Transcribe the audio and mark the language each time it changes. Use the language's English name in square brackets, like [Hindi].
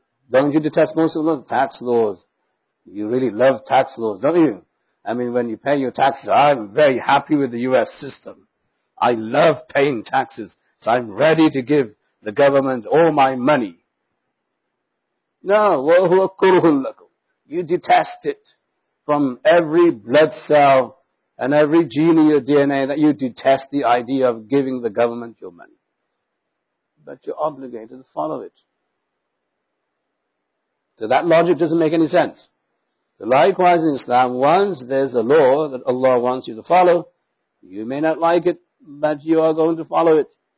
[English] Don't you detest most of the laws? Tax laws. You really love tax laws, don't you? I mean, when you pay your taxes, I'm very happy with the US system. I love paying taxes. I'm ready to give the government all my money. [Arabic] No, وَهُوَ كُرْهٌ لَكُمْ. [English] You detest it from every blood cell and every gene in your DNA, that you detest the idea of giving the government your money. But you're obligated to follow it. So that logic doesn't make any sense. So likewise in Islam, once there's a law that Allah wants you to follow, you may not like it, but you are going to follow it.